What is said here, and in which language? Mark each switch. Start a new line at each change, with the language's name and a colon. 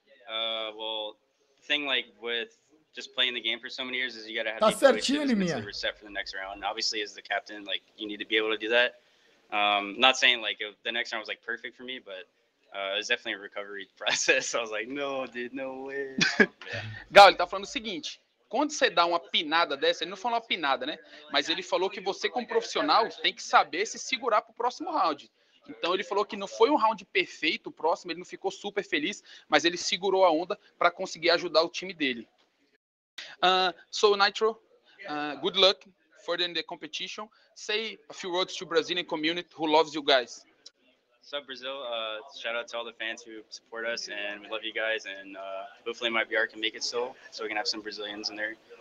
English: Well, the thing like with just playing the game for so many years is you gotta have the reset for the next round. Obviously, as the captain, like you need to be able to do that. Not saying like the next round was like perfect for me, but it was definitely a recovery process. I was like, no, dude, no way.
Portuguese: Gal, ele tá falando o seguinte: quando você dá uma pinada dessa, ele não falou uma pinada, né? Mas ele falou que você, como profissional, tem que saber se segurar pro próximo round. Então ele falou que não foi um round perfeito, o próximo, ele não ficou super feliz, mas ele segurou a onda para conseguir ajudar o time dele.
English: So, Nitro, good luck. Further in the competition, say a few words to Brazilian community who loves you guys. sub Brazil. Shout out to all the fans who support us, and we love you guys. And hopefully my VR can make it still, so we can have some Brazilians in there.